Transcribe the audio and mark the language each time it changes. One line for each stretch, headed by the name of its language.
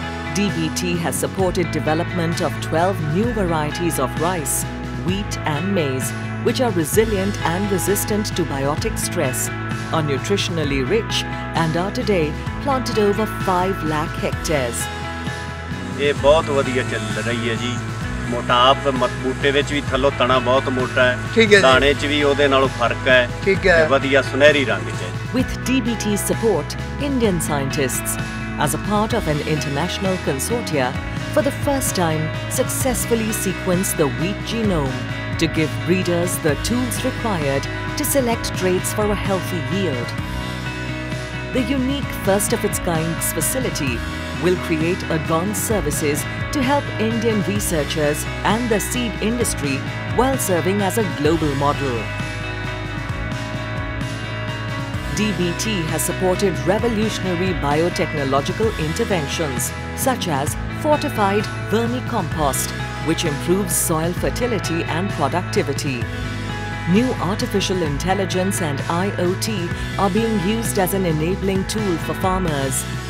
English: DBT has supported development of 12 new varieties of rice, wheat and maize, which are resilient and resistant to biotic stress, are nutritionally rich, and are today planted over 5 lakh hectares.
Punjabi: ਇਹ ਬਹੁਤ ਵਧੀਆ ਚੱਲ ਰਹੀ ਹੈ ਜੀ ਮੋਟਾਪ ਮਤਬੂਟੇ ਵਿੱਚ ਵੀ ਥੱਲੋਂ ਤਣਾ ਬਹੁਤ ਮੋਟਾ ਹੈ ਠੀਕ ਹੈ ਦਾਣੇ 'ਚ ਵੀ ਉਹਦੇ ਨਾਲੋਂ ਫਰਕ ਹੈ ਠੀਕ ਹੈ ਵਧੀਆ ਸੁਨਹਿਰੀ ਰੰਗ 'ਚ ਹੈ
English: With DBT support Indian scientists as a part of an international consortia for the first time successfully sequence the wheat genome to give breeders the tools required to select traits for a healthy yield the unique first of its kind facility will create advanced services to help Indian researchers and the seed industry while serving as a global model. DBT has supported revolutionary biotechnological interventions such as fortified vermicompost, which improves soil fertility and productivity. New artificial intelligence and IoT are being used as an enabling tool for farmers.